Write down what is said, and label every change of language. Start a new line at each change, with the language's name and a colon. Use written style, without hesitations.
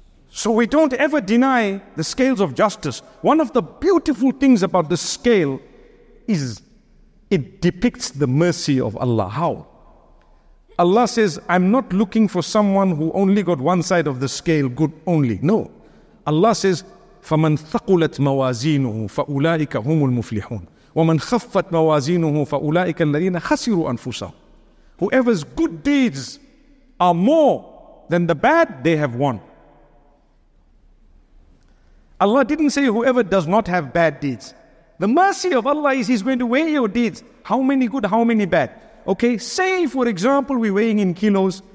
English: So we don't ever deny the scales of justice. One of the beautiful things about the scale is it depicts the mercy of Allah. How? Allah says, I'm not looking for someone who only got one side of the scale, good only. No. Allah says,
Arabic: فَمَنْ ثَقُلَتْ مَوَازِينُهُ فَأُولَٰئِكَ هُمُ الْمُفْلِحُونَ وَمَنْ خَفَّتْ مَوَازِينُهُ فَأُولَٰئِكَ الَّذِينَ خَسِرُوا أَنفُسَهُ.
English: Whoever's good deeds are more than the bad, they have won. Allah didn't say whoever does not have bad deeds. The mercy of Allah is He's going to weigh your deeds. How many good, how many bad? Okay, say for example, we're weighing in kilos.